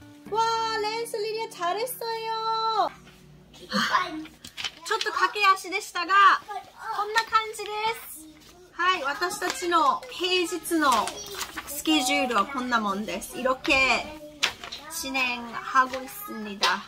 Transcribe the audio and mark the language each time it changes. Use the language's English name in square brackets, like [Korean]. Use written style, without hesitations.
[Korean] 와, 랜스 리디아 잘했어요. 조금 [Japanese] 駆け足でしたが, こんな感じです. はい, 私たちの 平日の [Korean] 스케줄은 [Japanese] こんなもんです. [Korean] 이렇게 진행하고 있습니다.